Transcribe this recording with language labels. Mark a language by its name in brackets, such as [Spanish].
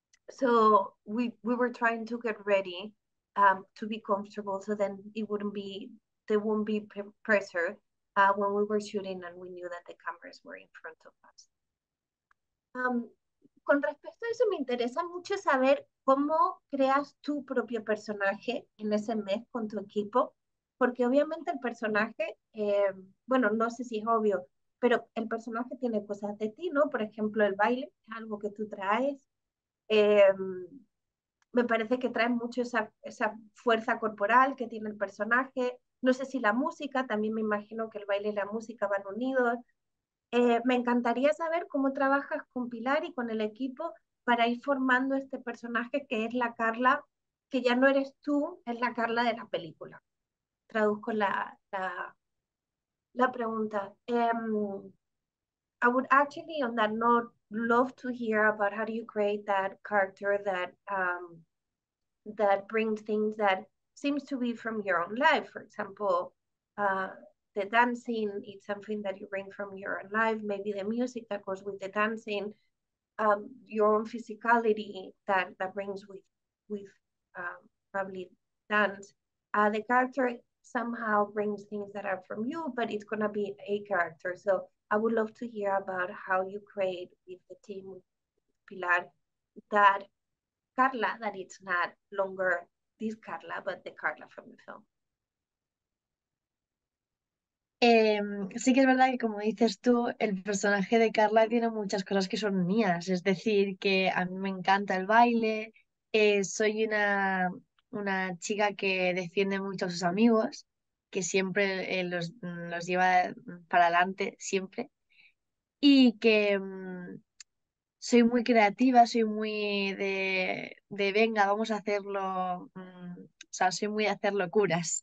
[English] So we were trying to get ready to be comfortable, so then it wouldn't be there wouldn't be pressure when we were shooting and we knew that the cameras were in front of us. [Spanish] Con respecto a eso, me interesa mucho saber cómo creas tu propio personaje en ese mes con tu equipo, porque obviamente el personaje, bueno, no sé si es obvio. Pero el personaje tiene cosas de ti, ¿no? Por ejemplo, el baile es algo que tú traes. Me parece que traes mucho esa fuerza corporal que tiene el personaje. No sé si la música, también me imagino que el baile y la música van unidos. Me encantaría saber cómo trabajas con Pilar y con el equipo para ir formando este personaje que es la Carla, que ya no eres tú, es la Carla de la película. Traduzco la pregunta. [English] I would actually, on that note, love to hear about how do you create that character that brings things that seems to be from your own life. For example, the dancing, it's something that you bring from your own life. Maybe the music that goes with the dancing, your own physicality that brings with probably dance. The character somehow brings things that are from you, but it's going to be a character. So I would love to hear about how you create with the team, with Pilar, that Carla, that it's not longer this Carla, but the Carla from the film. [Spanish] Sí que es verdad que como dices tú, el personaje de Carla tiene muchas cosas que son mías, es decir, que a mí me encanta el baile, soy una una chica que defiende mucho a sus amigos, que siempre los lleva para adelante, siempre, y que soy muy creativa, soy muy de venga, vamos a hacerlo, o sea, soy muy de hacer locuras.